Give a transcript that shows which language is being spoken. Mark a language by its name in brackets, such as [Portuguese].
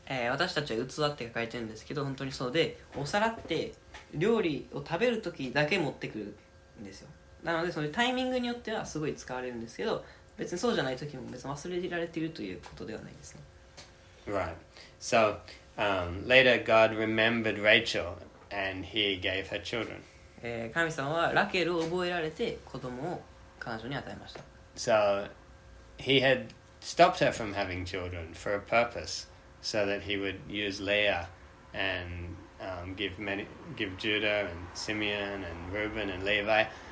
[Japanese] 私たちは器って書いてるんですけど、本当にそうで、お皿って料理を食べるときだけ持ってくるんですよ。なので、そのタイミングによってはすごい使われるんですけど、別にそうじゃないときも別に忘れられているということではないですね。 [English] Right. So, later God remembered Rachel and he gave her children. [Japanese] 神様はラケルを覚えられて子供を彼女に与えました。 [English] So, he had stopped her from having children for a purpose so that he would use Leah and give Judah and Simeon and Reuben and Levi.